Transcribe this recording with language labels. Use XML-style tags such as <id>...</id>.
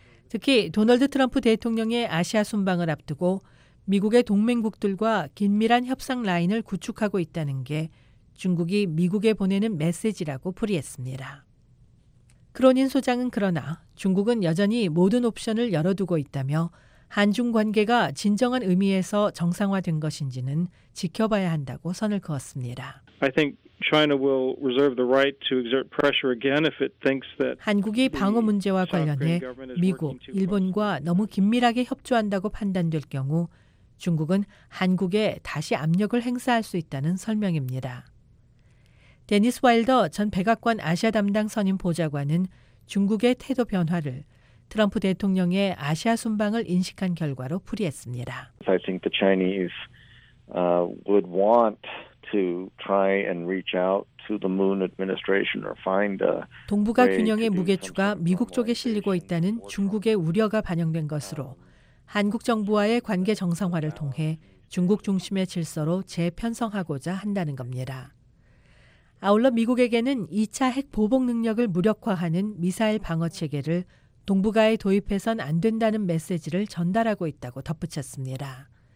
<ko>특히 도널드 트럼프 대통령의 아시아 순방을 앞두고 미국의 동맹국들과 긴밀한 협상 라인을 구축하고 있다는 게 중국이 미국에 보내는 메시지라고 풀이했습니다. 크로닌 소장은 그러나 중국은 여전히 모든 옵션을 열어두고 있다며 한중 관계가 진정한 의미에서 정상화된 것인지는 지켜봐야 한다고 선을 그었습니다.</ko> <en>I think China will reserve the right to exert pressure again if it thinks that</en> <ko>한국이 방어 문제와 관련해 미국, 일본과 너무 긴밀하게 협조한다고 판단될 경우 중국은 한국에 다시 압력을 행사할 수 있다는 설명입니다. 데니스 와일더 전 백악관 아시아 담당 선임 보좌관은 중국의 태도 변화를 트럼프 대통령의 아시아 순방을 인식한 결과로 풀이했습니다.</ko> <en>I think the Chinese would want to try and reach out to the Moon administration or find a</en> <ko>동북아 균형의 무게추가 미국 쪽에 실리고 있다는 중국의 우려가 반영된 것으로 한국 정부와의 관계 정상화를 통해 중국 중심의 질서로 재편성하고자 한다는 겁니다. 아울러 미국에게는 2차 핵 보복 능력을 무력화하는 미사일 방어 체계를 동북아에 도입해선 안 된다는 메시지를 전달하고 있다고 덧붙였습니다.</ko>